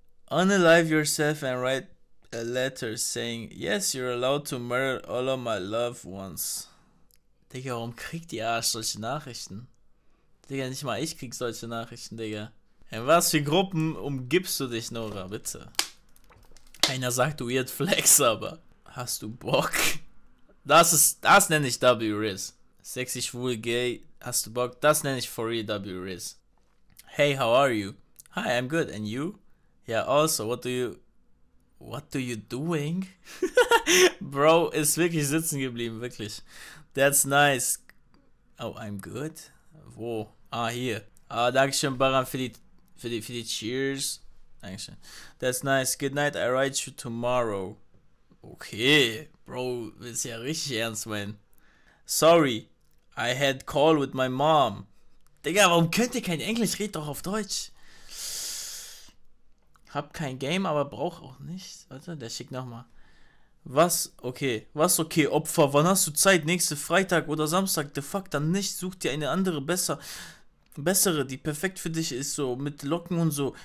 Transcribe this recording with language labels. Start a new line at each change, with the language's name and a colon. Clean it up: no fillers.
English: Unalive yourself and write a letter saying, yes, you're allowed to murder all of my loved ones.
German: Digga, warum kriegt ihr Arsch solche Nachrichten? Digga, nicht mal ich krieg solche Nachrichten, Digga. In was für Gruppen umgibst du dich, Nora, bitte? Einer sagt,
English: weird flex,
German: aber... Hast du Bock? Das ist, das nenne ich W-Riz. Sexy, schwul, gay, hast du Bock? Das nenne ich
English: for real
German: W-Riz.
English: Hey, how are you? Hi, I'm good, and you? Yeah, also, what do you doing?
German: Bro, ist wirklich sitzen geblieben, wirklich.
English: That's nice. Oh, I'm good?
German: Wo? Ah, hier. Ah, dankeschön, Baran, für die cheers. Dankeschön.
English: That's nice. Good night, I write you tomorrow.
German: Okay, Bro, ist ja richtig ernst, man.
English: Sorry, I had call with my mom.
German: Digga, warum könnt ihr kein Englisch? Red doch auf Deutsch. Hab kein Game, aber brauch auch nicht. Warte, der schickt nochmal. Was, okay, Opfer, wann hast du Zeit? Nächste Freitag oder Samstag?
English: The fuck,
German: dann nicht. Such dir eine andere bessere, die perfekt für dich ist, so mit Locken und so.